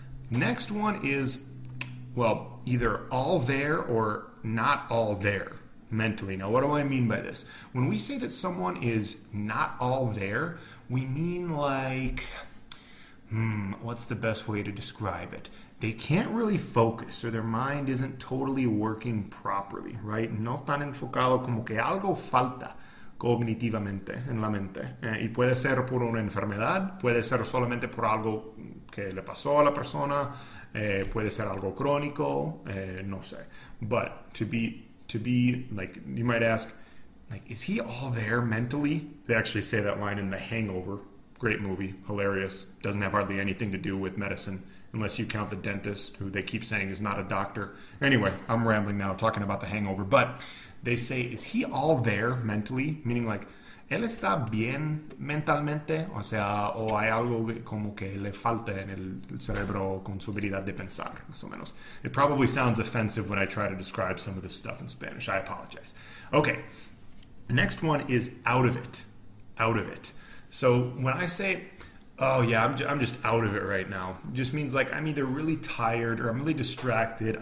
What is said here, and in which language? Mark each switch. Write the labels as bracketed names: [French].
[English] Next one is, well, either all there or not all there mentally. Now, what do I mean by this? When we say that someone is not all there, we mean like, what's the best way to describe it? They can't really focus, or their mind isn't totally working properly, right? [Spanish] No tan enfocado, como que algo falta cognitivamente en la mente. Y puede ser por una enfermedad, puede ser solamente por algo que le pasó a la persona, puede ser algo crónico, no sé. [English] But to be like, you might ask, like, is he all there mentally? They actually say that line in The Hangover. Great movie, hilarious, doesn't have hardly anything to do with medicine, unless you count the dentist, who they keep saying is not a doctor. Anyway, I'm rambling now, talking about The Hangover, but they say, is he all there mentally? Meaning like, [Spanish] ¿él está bien mentalmente? O sea, ¿o hay algo como que le falta en el cerebro con su habilidad de pensar, más o menos? [English] It probably sounds offensive when I try to describe some of this stuff in Spanish, I apologize. Okay, next one is out of it, out of it. So when I say, oh yeah, I'm just out of it right now, it just means like I'm either really tired or I'm really distracted.